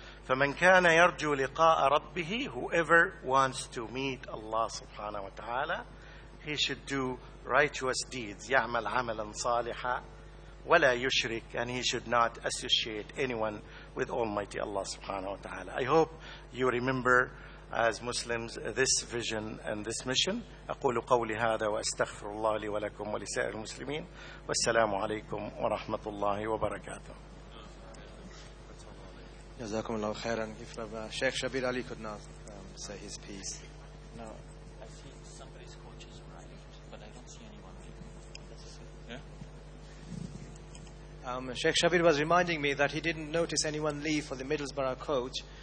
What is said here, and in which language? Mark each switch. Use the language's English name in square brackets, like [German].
[Arabic] فَمَنْ كَانَ يَرْجُو لِقَاءَ رَبِّهِ [English] whoever wants to meet Allah subhanahu wa ta'ala, he should do righteous deeds. [Arabic] يَعْمَلْ عَمَلًا صَالِحًا وَلَا يُشْرِكُ [English] and he should not associate anyone with Almighty Allah subhanahu wa ta'ala. I hope you remember as Muslims this vision and this mission. [Arabic] أقول قولي هذا وأستغفر الله لي ولكم ولسائر المسلمين والسلام عليكم ورحمة الله وبركاته. جزاكم الله خيرا. [English] If Sheikh Shabir Ali could not say his piece. No. I see somebody's coach has arrived, but I don't see anyone. Sheikh Shabir was reminding me that he didn't notice anyone leave for the Middlesbrough coach.